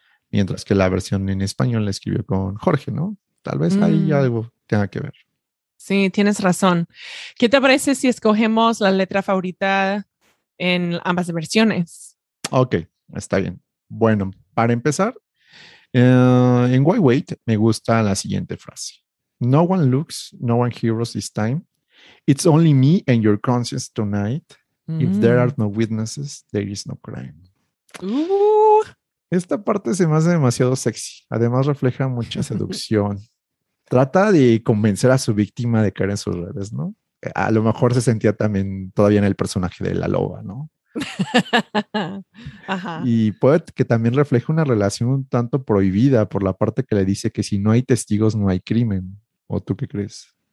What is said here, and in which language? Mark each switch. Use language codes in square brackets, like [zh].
[es] Mientras que la versión en español la escribió con Jorge, ¿no? Tal vez ahí algo tenga que ver. Sí, tienes razón. ¿Qué te parece si escogemos la letra favorita en ambas versiones? Ok, está bien. Bueno, para empezar, en Why Wait me gusta la siguiente frase. [en] No one looks, no one hears this time. It's only me and your conscience tonight. If there are no witnesses, there is no crime. [es] Esta parte se me hace demasiado sexy. Además, refleja mucha seducción. Trata de convencer a su víctima de caer en sus redes, ¿no? A lo mejor se sentía también todavía en el personaje de la loba, ¿no? Ajá. Y puede que también refleje una relación un tanto prohibida por la parte que le dice que si no hay testigos, no hay crimen. ¿O tú qué crees?